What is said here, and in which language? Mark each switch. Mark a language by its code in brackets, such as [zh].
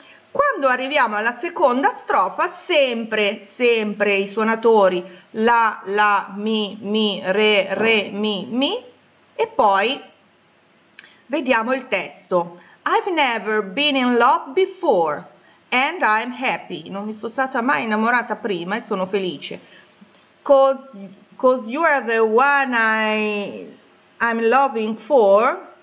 [it] Quando arriviamo alla seconda strofa, sempre i suonatori la mi re mi, e poi vediamo il testo. [en] I've never been in love before and I'm happy. [it] Non mi sono stata mai innamorata prima e sono felice. [en] Cause you are the one I'm loving for.